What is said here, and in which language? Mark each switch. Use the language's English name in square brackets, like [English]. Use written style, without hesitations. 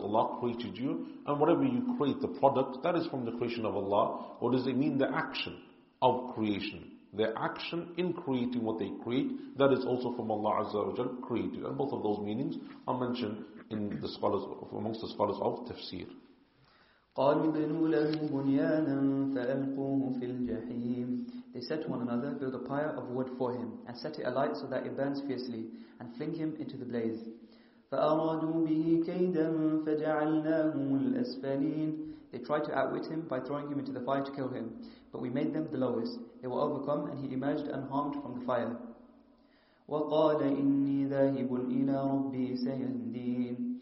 [English] Allah created you and whatever you create, the product, that is from the creation of Allah. Or does it mean the action of creation? Their action in creating what they create, that is also from Allah Azza wa Jal created. And both of those meanings are mentioned in the scholars, amongst the scholars of tafsir. [Arabic] قالوا ابنوا له بنيانا فألقوه في الجحيم. [English] They said to one another, build a pyre of wood for him and set it alight so that it burns fiercely and fling him into the blaze. [Arabic] فأرادوا به كيدا فجعلناهم الأسفلين. [English] They tried to outwit him by throwing him into the fire to kill him, but we made them the lowest. They were overcome and he emerged unharmed from the fire. [Arabic] وقال إني ذاهب إلى ربي سيهدين.